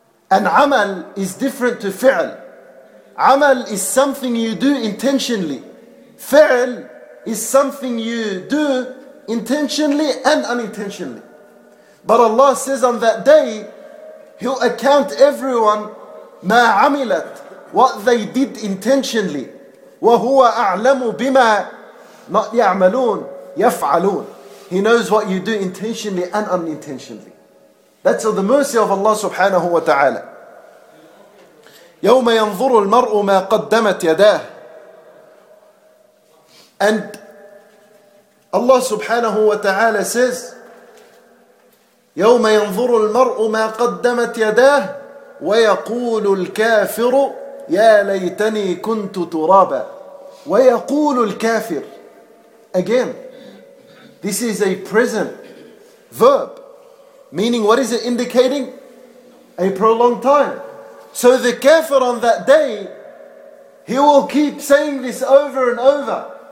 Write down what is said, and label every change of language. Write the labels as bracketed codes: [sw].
[en] And amal is different to fi'l. Amal is something you do intentionally. Fi'l is something you do intentionally and unintentionally. But Allah says on that day, He'll account everyone مَا عَمِلَتْ, what they did intentionally. [ar] وَهُوَ أَعْلَمُ بِمَا not يَعْمَلُونَ يَفْعَلُونَ. [en] He knows what you do intentionally and unintentionally. That's the mercy of Allah subhanahu wa ta'ala. يَوْمَ يَنْظُرُ الْمَرْءُ مَا قَدَّمَتْ يَدَاهِ. [ar] And Allah subhanahu wa ta'ala says, يَوْمَ يَنْظُرُ الْمَرْءُ مَا قَدَّمَتْ يَدَاهِ وَيَقُولُ الْكَافِرُ يَا لَيْتَنِي كُنْتُ تُرَابًا. وَيَقُولُ الْكَافِرُ. [en] Again, this is a present verb. Meaning, what is it indicating? A prolonged time. So the kafir on that day, he will keep saying this over and over.